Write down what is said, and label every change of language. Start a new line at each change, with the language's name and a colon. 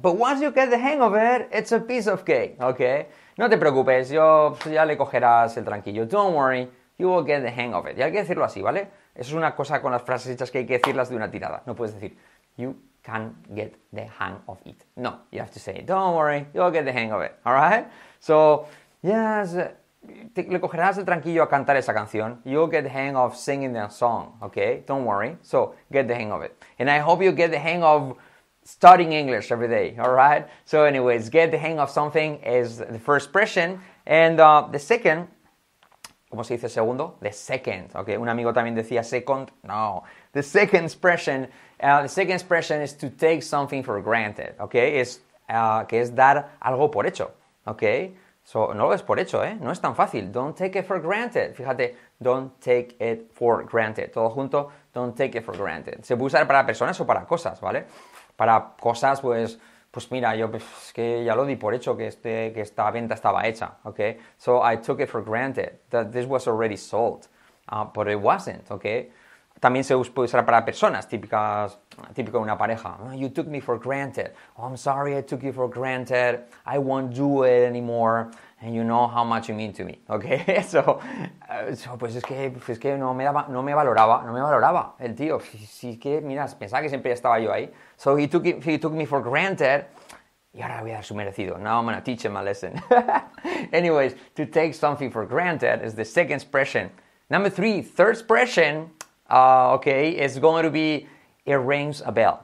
English: But once you get the hang of it, it's a piece of cake, okay?
Spanish: No te preocupes, yo ya le cogerás el tranquillo.
English: Don't worry, you will get the hang of it.
Spanish: Y hay que decirlo así, ¿vale? Eso es una cosa con las frases hechas que hay que decirlas de una tirada. No puedes decir,
English: you can get the hang of it. No, you have to say, don't worry, you'll get the hang of it, all right? So, yes,
Spanish: le cogerás el tranquillo a cantar esa canción.
English: You'll get the hang of singing that song, okay? Don't worry. So, get the hang of it. And I hope you get the hang of studying English every day, all right? So, anyways, get the hang of something is the first expression. And the second,
Spanish: ¿cómo se dice segundo?
English: The second, okay?
Spanish: Un amigo también decía second. No,
English: the second expression. The second expression is to take something for granted, okay?
Spanish: Es que es dar algo por hecho. Okay, so no lo es por hecho, ¿eh? No es tan fácil.
English: Don't take it for granted.
Spanish: Fíjate,
English: don't take it for granted.
Spanish: Todo junto,
English: don't take it for granted.
Spanish: Se puede usar para personas o para cosas, ¿vale? Para cosas, pues mira, yo es que ya lo di por hecho que esta venta estaba hecha, okay?
English: So I took it for granted that this was already sold, but it wasn't, okay?
Spanish: También se puede usar para personas, típico de una pareja.
English: You took me for granted. Oh, I'm sorry I took you for granted. I won't do it anymore. And you know how much you mean to me. Okay?
Spanish: So pues es que no me valoraba el tío. Si que, mira, pensaba que siempre estaba yo ahí.
English: So he took me for granted.
Spanish: Y ahora voy a dar su merecido.
English: Now I'm going to teach him a lesson. Anyways, to take something for granted is the second expression. Number three, third expression. Okay, it's going to be, it rings a bell.